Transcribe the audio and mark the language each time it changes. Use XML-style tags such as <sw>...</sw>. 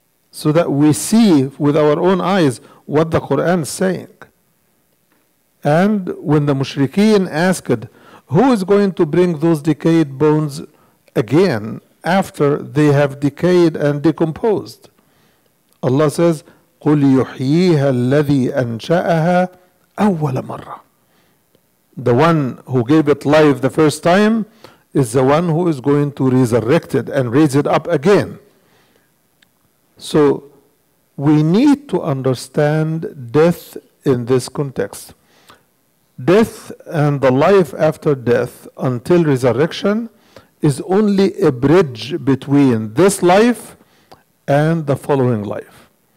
<en>So that we see with our own eyes what the Quran is saying. And when the mushrikeen asked, who is going to bring those decayed bones again after they have decayed and decomposed?</en> <ar>Allah says, قُلْ يُحْيِيهَا الَّذِي أَنْشَأَهَا أَوَّلَ مَرَّةً.</ar> <en>The one who gave it life the first time is the one who is going to resurrect it and raise it up again. So we need to understand death in this context. Death and the life after death until resurrection is only a bridge between this life and the following life.</en>